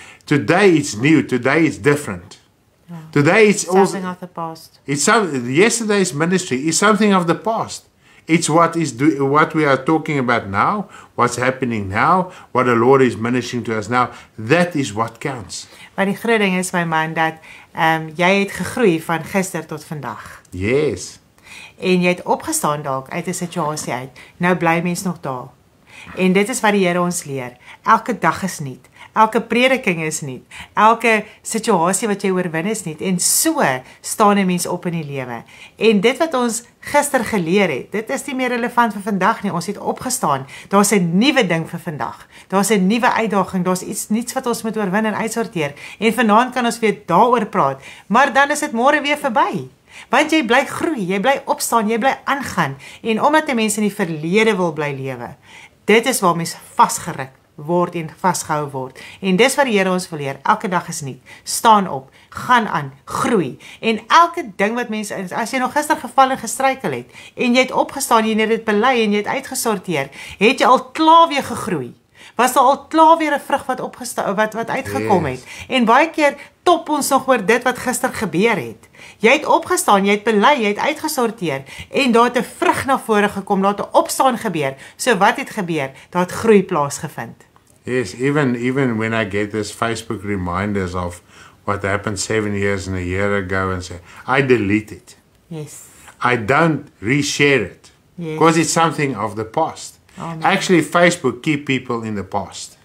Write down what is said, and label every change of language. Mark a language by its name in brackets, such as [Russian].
[English] Today it's new. Today it's different. Oh, today it's something of the past. Yesterday's ministry is something of the past. It's what is what we are talking about now, what's happening now, what the Lord is ministering to us now. That is what counts. [Afrikaans] Maar die groot ding is, my man, dat jy het gegroei van gister tot vandag. Yes. En jy het opgestaan dalk uit die situasie uit. Nou bly mens nog daar. En dit is wat die Here ons leer. Elke dag is nuut. Elke prediking is nuut. Elke situasie wat jy oorwin is nuut. En so staan 'n mens op in die lewe. En dit wat ons gister geleer het, dit is nie meer relevant vir vandag nie. Ons het opgestaan. Daar's 'n nuwe ding vir vandag. Daar's 'n nuwe uitdaging. Daar's iets nuuts wat ons moet oorwin en uitsorteer. En vanaand kan ons weer daaroor praat. Maar dan is dit môre weer verby. Want jy bly groei, jy bly opstaan, jy bly aangaan. En omdat die mense in die verlede wil bly lewe, dit is waar mens vasgeruk word en vasgehou word. En dis wat die Here ons wil leer. Elke dag is nuut. Staan op, gaan aan, groei. En elke ding wat mense is, as jy nog gister geval en gestruikel het, en jy het opgestaan, jy het dit bely en jy het uitgesorteer, het jy al klaar weer gegroei. Was daar al klaar weer 'n vrug wat wat uitgekom het. En baie keer top ons nog oor dit wat gister gebeur het. Jy het opgestaan, jy het bely, jy het uitgesorteer en daar het 'n vrug na vore gekom, daar het 'n opstaan gebeur. So wat het gebeur? Daar het groei plaasgevind. [English] Yes, even when I get this Facebook reminders of what happened 7 years and a year ago and say, I delete it. Yes. I don't reshare it. Yes. Because it's something of the past. Amen. Actually, Facebook keep people in the past.